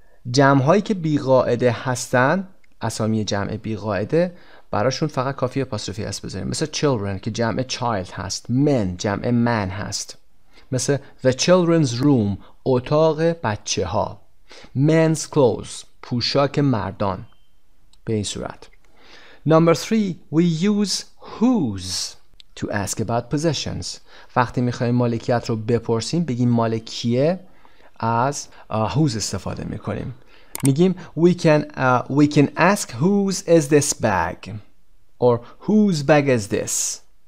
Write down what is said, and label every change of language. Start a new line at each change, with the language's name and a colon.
Persian: جمع هایی که بی قاعده هستن، اسامی جمع بی قاعده، براشون فقط کافی apostrophe s بذاریم. مثل children که جمع child هست، men جمع man هست. مثل
English: the children's room،
Persian: اتاق بچه ها،
English: men's clothes،
Persian: پوشاک مردان، به این صورت.
English: Number three, we use whose to ask about possessions.
Persian: وقتی میخواییم مالکیت رو بپرسیم، بگیم مالکیه، از whose استفاده میکنیم. میگیم
English: we can ask whose is this bag or whose bag is this.